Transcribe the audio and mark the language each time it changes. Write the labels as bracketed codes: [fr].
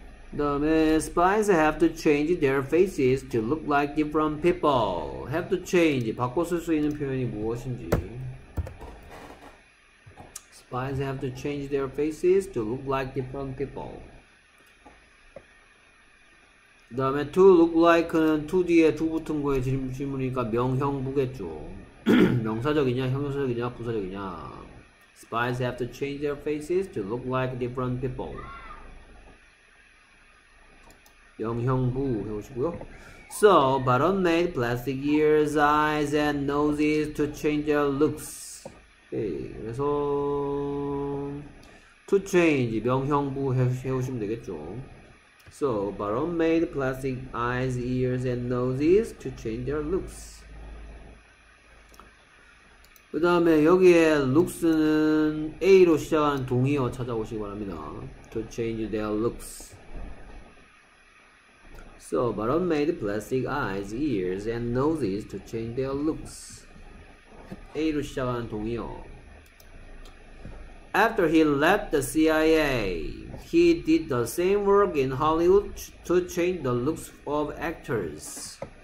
[ko] 그 다음에 [en] spies have to change their faces to look like different people. Have to change. [ko] 바꿔 쓸 수 있는 표현이 무엇인지. [en] Spies have to change their faces to look like different people. [ko] 그 다음에 to look like는 to 뒤에 to 붙은 거에 질문이니까 명형부겠죠. 명사적이냐 형용사적이냐 부사적이냐. [en] Spies have to change their faces to look like different people. [ko] 영형부 해보시고요. [en] So, Barron made plastic ears, eyes, and noses to change their looks. [ko] 오케이, 그래서 to change 명형부 해오시면 되겠죠. [en] So, Barron made plastic eyes, ears, and noses to change their looks. [ko] 그 다음에 여기에 looks는 A로 시작하는 동의어 찾아오시기 바랍니다. [en] To change their looks. So, Barron made plastic eyes, ears, and noses to change their looks. [ko] A로 시작하는 동의어. [en] After he left the CIA, he did the same work in Hollywood to change the looks of actors.